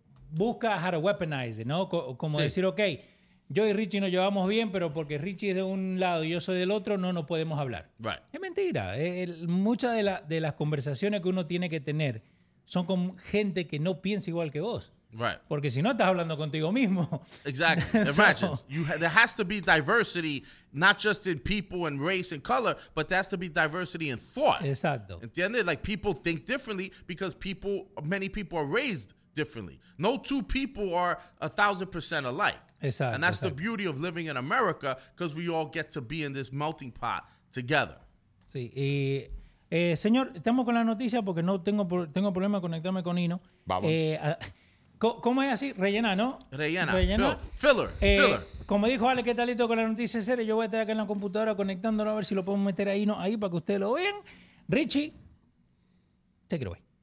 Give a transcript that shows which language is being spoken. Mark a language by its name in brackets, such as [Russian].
[Spanish] busca [English] how to weaponize it, [Spanish] ¿no? Como sí. Decir, ok, yo y Richie nos llevamos bien, pero porque Richie es de un lado y yo soy del otro, no nos podemos hablar. [English] Right. [Spanish] Es mentira. Muchas de las conversaciones que uno tiene que tener son con gente que no piensa igual que vos. [English] Right. [Spanish] Porque si no, estás hablando contigo mismo. [English] Exactly. Imagine. There has to be diversity, not just in people and race and color, but there has to be diversity in thought. [Spanish] Exacto. ¿Entiendes? [English] Like, people think differently because many people are raised differently. No two people are 1,000% alike. Exactly. And that's the beauty of living in America, because we all get to be in this melting pot together. [Spanish] Sí. Señor, estamos con la noticia porque no tengo problema de conectarme con Ino. Vamos. ¿Cómo es así? Rellena, ¿no? Rellena. Filler. Como dijo Ale, ¿qué talito con la noticia serie? Yo voy a estar acá en la computadora conectándolo a ver si lo podemos meter ahí, ¿no? Ahí para que ustedes lo vean. Richie, [English] take it away.